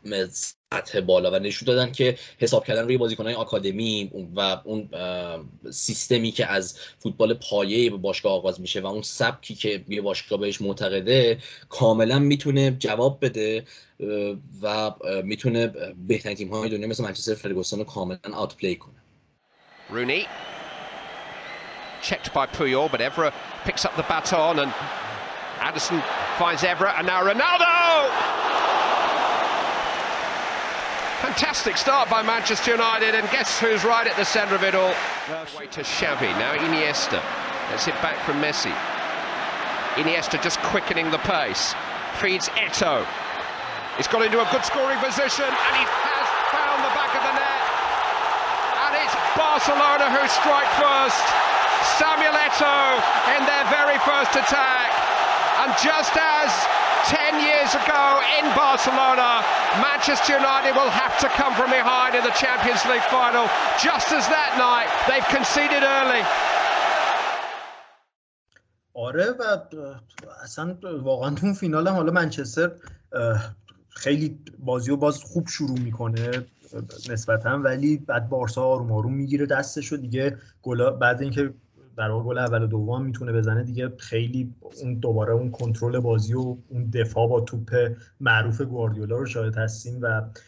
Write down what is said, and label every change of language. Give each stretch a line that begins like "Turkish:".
Persian: سطح بالا و نشون دادن که حساب کردن روی بازیکنهای آکادمی و اون سیستمی که از فوتبال پایه به باشگاه آغاز میشه و اون سبکی که یه باشگاه بهش معتقده کاملا میتونه جواب بده و میتونه بهترین تیم های دنیا مثل منچستر فرگوسن رو کاملا آوت پلی کنه.
English: Rooney checked by Puyol but Evra picks up the baton and Anderson finds Evra and now Ronaldo. Fantastic start by Manchester United, and guess who's right at the center of it all? Way to Xavi, now Iniesta. Gets it back from Messi. Iniesta just quickening the pace. Feeds Eto. He's got into a good scoring position, and he has found the back of the net. And it's Barcelona who strike first. Samuel Eto in their very first attack. And just as 10 years ago in Barcelona, Manchester United will have to come from behind in the Champions League final. Just as that night, they've conceded early.
Persian: آره و اصلا واقعا اون فینال هم حالا منچستر خیلی بازیو باز خوب شروع میکنه نسبتا، ولی بعد بارسا آروم آروم میگیره دستشو دیگه، گل بعد اینکه در واقع گل اول و دوم میتونه بزنه دیگه، خیلی اون دوباره اون کنترل بازی و اون دفاع با توپ معروف گواردیولا رو شاهد هستیم و